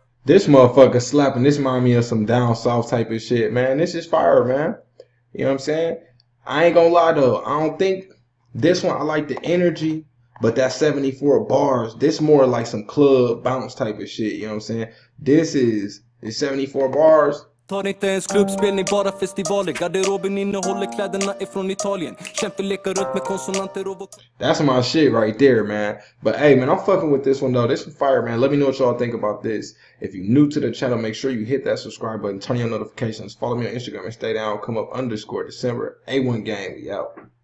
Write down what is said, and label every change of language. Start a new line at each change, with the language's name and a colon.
English: This motherfucker slapping. This remind me of some down south type of shit, man. This is fire, man. You know what I'm saying? I ain't gonna lie though. I don't think. This one, I like the energy, but that 74 bars, this more like some club bounce type of shit, you know what I'm saying? This is the 74 bars.
Swedish: Tar inte ens klubbspelning, bara festivaler. Garderoben innehåller kläderna ifrån Italien. Kämpa leka runt med konsonanter och vokaler.
English: That's my shit right there, man. But hey, man, I'm fucking with this one, though. This is fire, man. Let me know what y'all think about this. If you're new to the channel, make sure you hit that subscribe button. Turn your notifications. Follow me on Instagram and stay down. Come up underscore December A1 game. We out.